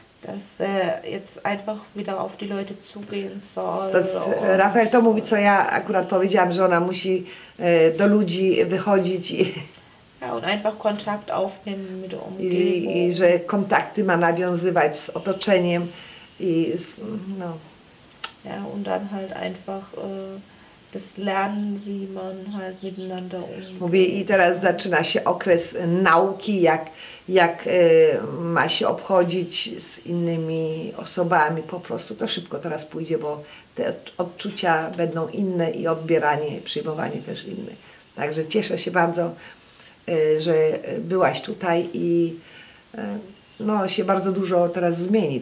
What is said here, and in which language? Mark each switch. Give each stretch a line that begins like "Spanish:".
German: Dass jetzt einfach wieder auf die Leute zugehen soll.
Polish: Das, Rafael to mówi, co ja akurat powiedziałam, że ona musi do ludzi wychodzić i.
German: Ja, und einfach Kontakt aufnehmen mit der Umgebung.
Polish: I że kontakty ma nawiązywać z otoczeniem i no.
German: Ja, und dann halt einfach das Lernen, wie man halt miteinander umgeht.
Polish: Mówi, i teraz zaczyna się okres nauki, jak ma się obchodzić z innymi osobami, po prostu to szybko teraz pójdzie, bo te odczucia będą inne i odbieranie, przyjmowanie też inne. Także cieszę się bardzo, że byłaś tutaj i no, się bardzo dużo teraz zmieni.